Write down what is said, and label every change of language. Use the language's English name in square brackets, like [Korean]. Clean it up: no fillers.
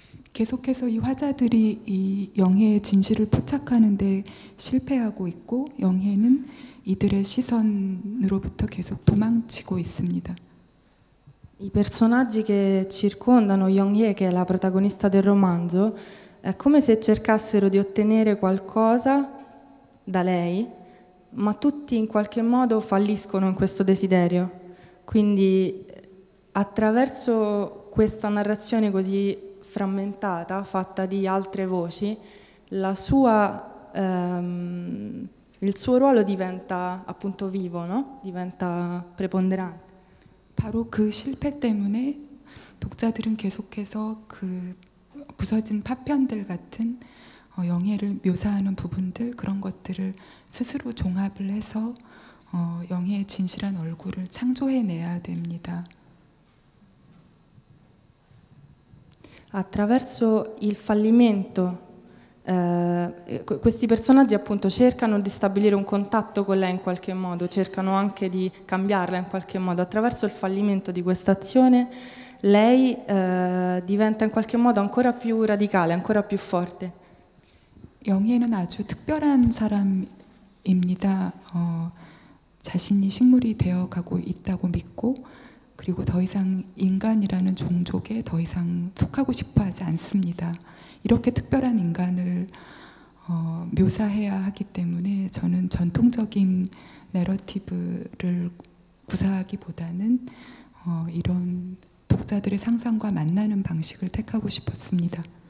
[Korean] 계속해서 이 화자들이 이 영혜의 진실을 포착하는데 실패하고 있고 영혜는 이들의 시선으로부터 계속 도망치고 있습니다. [Italian] I personaggi che circondano Yonghye, che è la protagonista del romanzo, è come se cercassero di ottenere qualcosa da lei, ma tutti in qualche modo falliscono in questo desiderio. Quindi attraverso questa narrazione così frammentata, fatta di altre voci, il suo ruolo diventa appunto vivo, no? Diventa preponderante. [Korean] 바로 그 실패 때문에 독자들은 계속해서 그 부서진 파편들 같은 영혜를 묘사하는 부분들, 그런 것들을 스스로 종합을 해서 영혜의 진실한 얼굴을 창조해내야 됩니다. [Italian] Attraverso il fallimento, questi personaggi appunto cercano di stabilire un contatto con lei in qualche modo, cercano anche di cambiarla in qualche modo. Attraverso il fallimento di questa azione, lei diventa in qualche modo ancora più radicale, ancora più forte. [Korean] 영혜는 아주 특별한 사람입니다. 자신이 식물이 되어가고 있다고 믿고 그리고 더 이상 인간이라는 종족에 더 이상 속하고 싶어하지 않습니다. 이렇게 특별한 인간을 묘사해야 하기 때문에 저는 전통적인 내러티브를 구사하기보다는 이런 독자들의 상상과 만나는 방식을 택하고 싶었습니다.